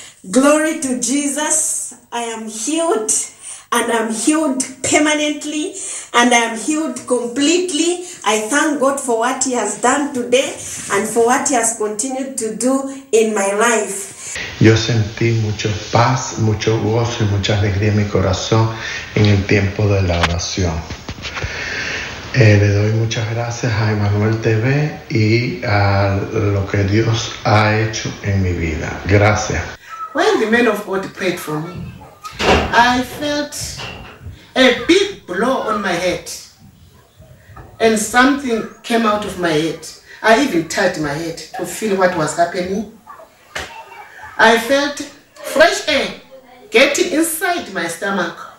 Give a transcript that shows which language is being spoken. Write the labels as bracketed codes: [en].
[en] Glory to Jesus. I am healed, and I'm healed permanently, and I'm healed completely. I thank God for what he has done today and for what he has continued to do in my life. [es] Yo sentí mucho paz, mucho gozo y mucha alegría en mi corazón en el tiempo de la oración. Le doy muchas gracias a Emanuel TV y a lo que Dios ha hecho en mi vida. Gracias. [en] When the man of God prayed for me, I felt a big blow on my head and something came out of my head. I even touched my head to feel what was happening. I felt fresh air getting inside my stomach.